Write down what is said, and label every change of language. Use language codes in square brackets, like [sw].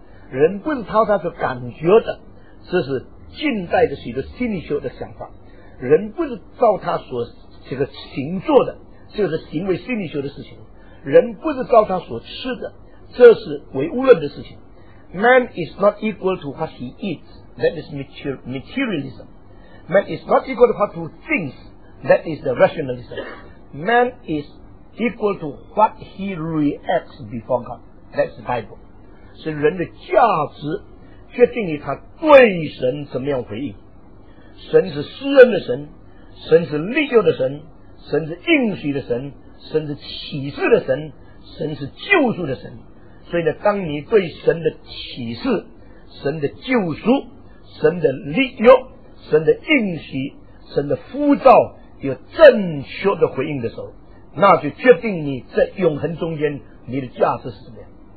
[zh] 人不是照他所感觉的，这是近代的许多心理学的想法。人不是照他所这个行做的，这是行为心理学的事情。人不是照他所吃的，这是唯物论的事情。 [en] Man is not equal to what he eats. That is materialism. Man is not equal to what he thinks. That is the rationalism. Man is equal to what he reacts before God. That is the Bible. [zh] 是人的价值决定于他对神怎么样回应。神是施恩的神，神是立救的神，神是应许的神，神是启示的神，神是救赎的神。所以呢，当你对神的启示、神的救赎、神的立救、神的应许、神的呼召有正确的回应的时候，那就决定你在永恒中间你的价值是什么样。